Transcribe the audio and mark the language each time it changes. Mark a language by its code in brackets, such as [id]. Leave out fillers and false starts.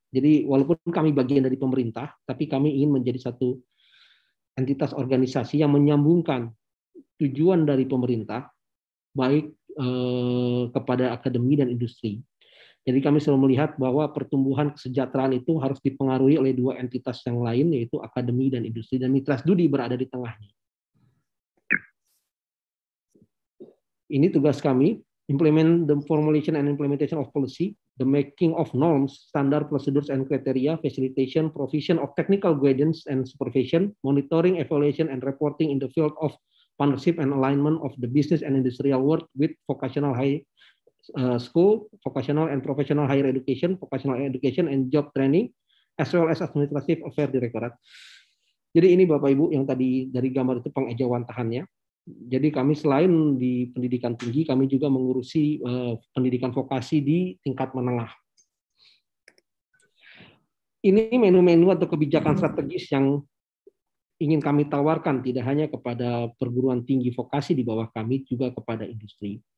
[id] Jadi walaupun kami bagian dari pemerintah, tapi kami ingin menjadi satu entitas organisasi yang menyambungkan tujuan dari pemerintah, baik kepada akademi dan industri. Jadi kami selalu melihat bahwa pertumbuhan kesejahteraan itu harus dipengaruhi oleh dua entitas yang lain, yaitu akademi dan industri, dan Mitras Dudi berada di tengahnya. Ini tugas kami, [en] implement the formulation and implementation of policy, the making of norms, standard procedures and criteria, facilitation, provision of technical guidance and supervision, monitoring, evaluation, and reporting in the field of partnership and alignment of the business and industrial world with vocational high school, vocational and professional higher education, vocational education and job training, as well as administrative affairs directorat. [id] Jadi ini Bapak Ibu yang tadi dari gambar itu pengejawantahannya. Jadi kami selain di pendidikan tinggi, kami juga mengurusi pendidikan vokasi di tingkat menengah. Ini menu-menu atau kebijakan strategis yang ingin kami tawarkan tidak hanya kepada perguruan tinggi vokasi di bawah kami, juga kepada industri.